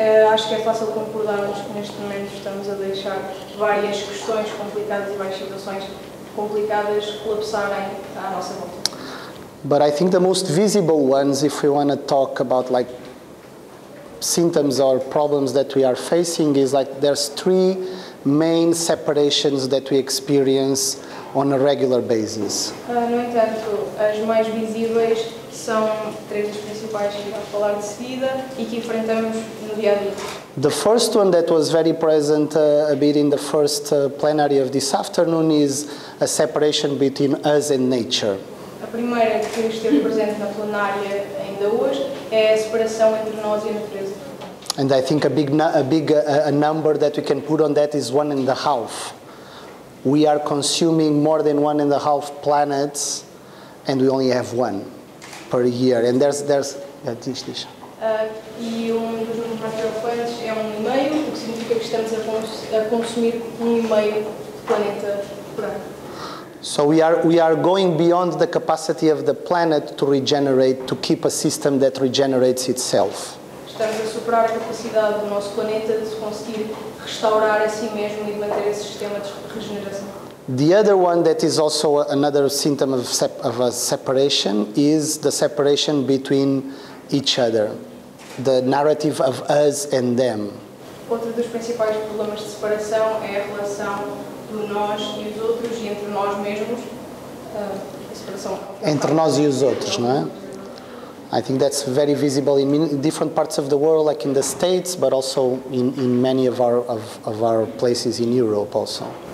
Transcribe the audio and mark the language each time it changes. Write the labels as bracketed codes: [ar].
[pt] Acho que é fácil concordarmos que neste momento estamos a deixar várias questões complicadas e várias situações complicadas colapsarem à nossa volta. [en] But I think the most visible ones, if we want to talk about like symptoms or problems that we are facing, is like there's three main separations that we experience on a regular basis. [pt] No entanto, as mais visíveis são três das principais que vamos falar de seguida e que enfrentamos no dia a dia. [en] The first one that was very present a bit in the first plenary of this afternoon is a separation between us and nature. [pt] A primeira que esteve presente na plenária ainda hoje é a separação entre nós e a natureza. [en] And I think a number that we can put on that is 1.5. We are consuming more than 1.5 planets and we only have one per year. And there's [pt] yeah, diz. E um dos números mais preocupantes é 1.5, o que significa que estamos a consumir 1.5 planeta por ano. [en] So we are going beyond the capacity of the planet to regenerate, to keep a system that regenerates itself. [pt] Estamos a superar a capacidade do nosso planeta de conseguir restaurar a si mesmo e manter esse sistema de regeneração. [en] The other one that is also another symptom of a separation is the separation between each other, the narrative of us and them. [pt] Outro dos principais problemas de separação é a relação do nós e os outros, e entre nós mesmos, separação. Entre nós e os outros, não é? [en] I think that's very visible in different parts of the world, like in the States, but also in many of our places in Europe also.